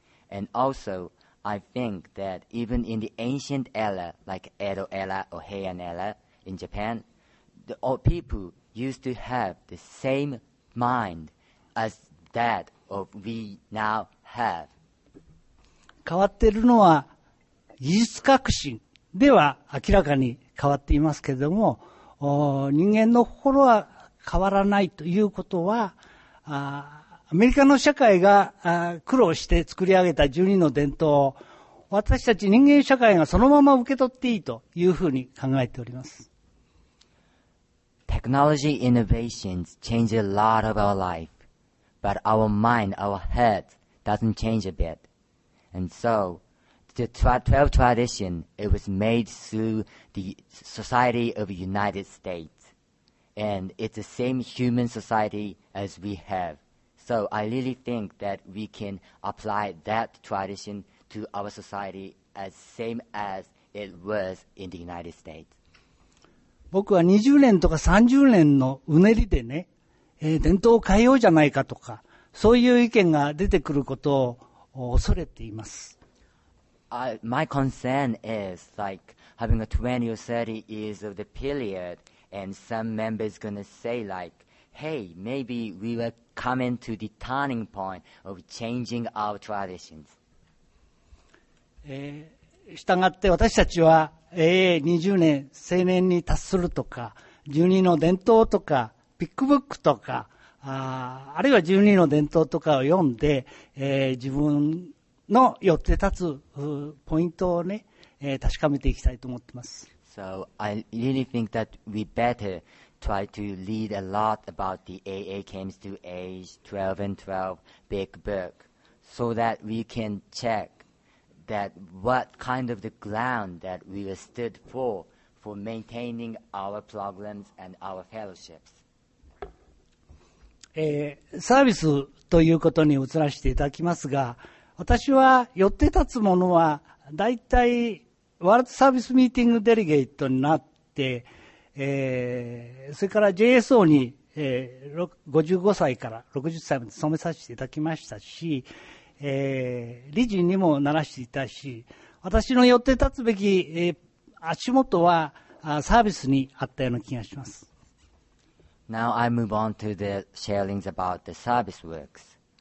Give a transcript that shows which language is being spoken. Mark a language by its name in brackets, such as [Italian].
[English] And also, I think that even in the ancient era, like Edo era or Heian era in Japan, the old people used to have the same mind as that of we now have. [Japanese] 変わっているのは技術革新では明らかに変わっていますけれども、人間の心は変わらないということは、アメリカの社会が苦労して作り上げた十二の伝統を私たち人間社会がそのまま受け取っていいというふうに考えております。 [English] Technology innovations change a lot of our life, but our mind, our head doesn't change a bit. And so, the 12 tradition, it was made through the Society of the United States. And it's the same human society as we have. So I really think that we can apply that tradition to our society as same as it was in the United States. [Japanese] 僕は20年とか30年のうねりでね、伝統を変えようじゃないかとか、そういう意見が出てくることを恐れています。 [English] My concern is like having a 20 or 30 years of the period and some members gonna say like,Hey, maybe we were coming to the turning point of changing our traditions. [Japanese] したがって私たちは20年成年に達するとか12の伝統とかピックブックとか あるいは12の伝統とかを読んで、自分の寄って立つポイントをね、確かめていきたいと思ってます。 [English] So I really think that we betterTry to read a lot about the AA came to age 12 and 12 big book so that we can check that what kind of the ground that we were stood for maintaining our programs and our fellowships. [Japanese] サービスということに移らせていただきますが、私は寄って立つものはだいたいワールドサービスミーティングデリゲートになってそれから JSO に、55歳から60歳まで勤めさせていただきましたし、理事にもならしていたし、私の寄って立つべき、足元はサービスにあったような気がします。 [English] Now I move on to the sharings about the service works.